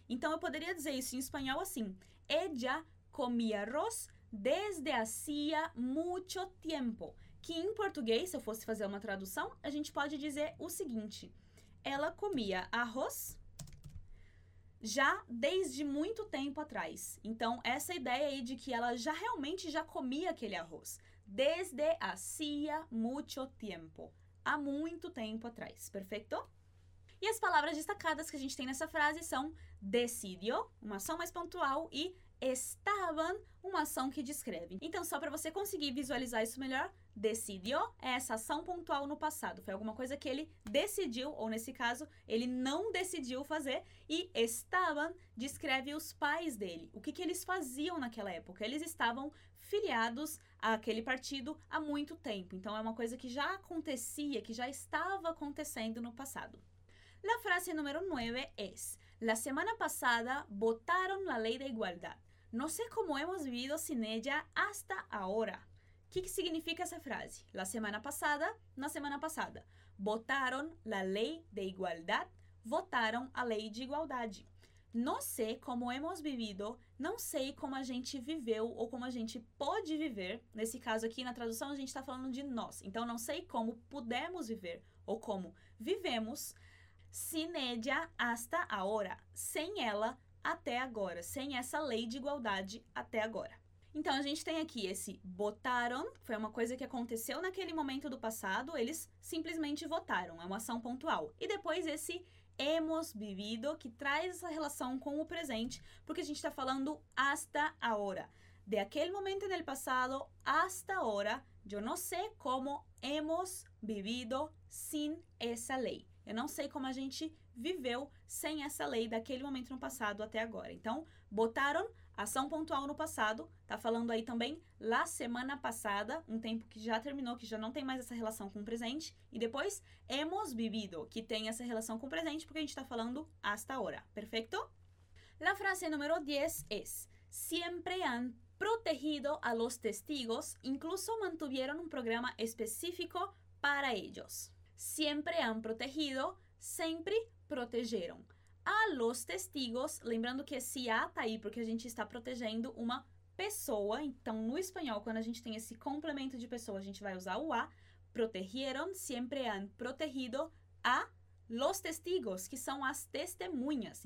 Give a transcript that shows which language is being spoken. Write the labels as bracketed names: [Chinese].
[Portuguese] Então eu poderia dizer isso em espanhol assim, [Spanish] ella comía arroz desde hacía mucho tiempo. [Portuguese] Que em português, se eu fosse fazer uma tradução, a gente pode dizer o seguinte: ela comia arroz já desde muito tempo atrás. Então, essa ideia aí de que ela já realmente já comia aquele arroz. [Spanish] Desde hacía mucho tiempo. [Portuguese] Há muito tempo atrás. Perfeito? E as palavras destacadas que a gente tem nessa frase são decidió, uma ação mais pontual, e estaban, uma ação que descreve. Então, só para você conseguir visualizar isso melhor, decidió é essa ação pontual no passado. Foi alguma coisa que ele decidiu, ou nesse caso, ele não decidiu fazer. E estaban descreve os pais dele. O que, que eles faziam naquela época? Eles estavam filiados àquele partido há muito tempo. Então, é uma coisa que já acontecia, que já estava acontecendo no passado. [Spanish] La frase número 9 es: la semana pasada votaron la ley de igualdad. No sé cómo hemos vivido sin ella hasta ahora. [Portuguese] O que, que significa essa frase? [Spanish] La semana passada, [Portuguese] na semana passada. [Spanish] Votaron la ley de igualdad. [Portuguese] Votaram a lei de igualdade. [Spanish] No sé cómo hemos vivido. [Portuguese] Não sei como a gente viveu ou como a gente pode viver. Nesse caso aqui, na tradução, a gente está falando de nós. Então, não sei como pudemos viver ou como vivemos. [Spanish] Sin ella hasta ahora. [Portuguese] Sem ela até agora. Sem essa lei de igualdade até agora. Então, a gente tem aqui esse votaram, foi uma coisa que aconteceu naquele momento do passado, eles simplesmente votaram, é uma ação pontual. E depois esse hemos vivido, que traz essa relação com o presente, porque a gente está falando [Spanish] hasta ahora. De aquele momento del passado hasta ahora, yo no sé cómo hemos vivido sin esa ley. [Portuguese] Eu não sei como a gente viveu sem essa lei daquele momento no passado até agora. Então, botaram, ação pontual no passado, tá falando aí também [Spanish] la semana passada, [Portuguese] um tempo que já terminou, que já não tem mais essa relação com o presente. E depois, hemos vivido, que tem essa relação com o presente, porque a gente tá falando [Spanish] hasta ahora. [Portuguese] Perfeito? [Spanish] La frase número 10 es: siempre han protegido a los testigos, incluso mantuvieron un programa específico para ellos. Siempre han protegido, [Portuguese] sempre protegeram. [Spanish] A los testigos, [Portuguese] lembrando que esse a tá aí porque a gente está protegendo uma pessoa. Então, no espanhol, quando a gente tem esse complemento de pessoa, a gente vai usar o a. [Spanish] Protegieron, siempre han protegido a los testigos, [Portuguese] que são as testemunhas.